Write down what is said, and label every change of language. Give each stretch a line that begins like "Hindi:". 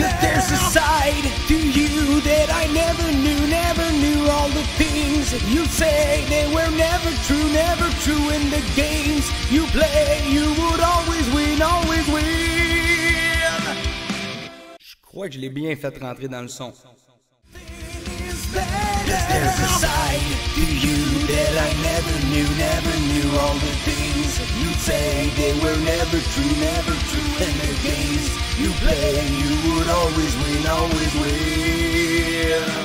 English: But there's a side to you that I never knew, never knew. All the things you say, they were never true, never true. In the games you play, you would always win, always win.
French: Je crois que je l'ai bien fait rentrer dans le son.
English: Yes, there's a side to you that I never knew, never knew. All the things you say, they were never true, never true. In the games you play, you would always win, always win.